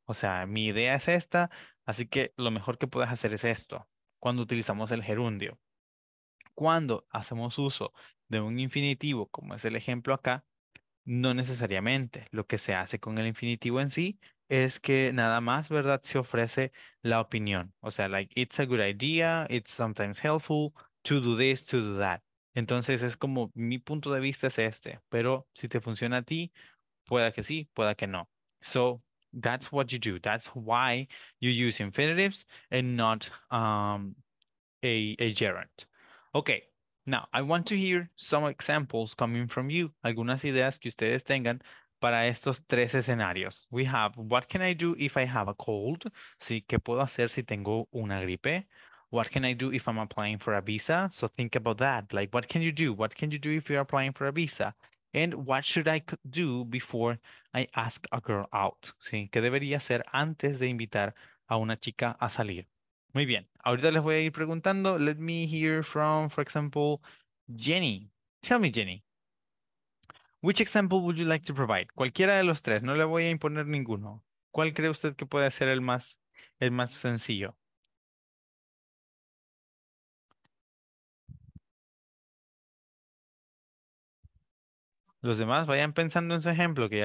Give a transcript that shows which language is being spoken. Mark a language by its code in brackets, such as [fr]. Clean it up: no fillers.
[es] O sea, mi idea es esta, así que lo mejor que puedes hacer es esto, cuando utilizamos el gerundio. Cuando hacemos uso de un infinitivo, como es el ejemplo acá, no necesariamente. Lo que se hace con el infinitivo en sí es que nada más, ¿verdad?, se ofrece la opinión. O sea, [en] like, it's a good idea, it's sometimes helpful to do this, to do that. [es] Entonces, es como, mi punto de vista es este. Pero si te funciona a ti, pueda que sí, pueda que no. [en] So, that's what you do. That's why you use infinitives and not a gerund. Okay. Now, I want to hear some examples coming from you. [es] Algunas ideas que ustedes tengan para estos tres escenarios. [en] We have, what can I do if I have a cold? ¿Sí? [es] ¿Qué puedo hacer si tengo una gripe? [en] What can I do if I'm applying for a visa? So think about that. Like, what can you do? What can you do if you're applying for a visa? And what should I do before I ask a girl out? [es] ¿Sí? ¿Qué debería hacer antes de invitar a una chica a salir? Muy bien, ahorita les voy a ir preguntando. [en] Let me hear from, for example, Jenny. Tell me, Jenny, which example would you like to provide? [es] Cualquiera de los tres, no le voy a imponer ninguno. ¿Cuál cree usted que puede ser el más sencillo? Los demás, vayan pensando en su ejemplo. Que ya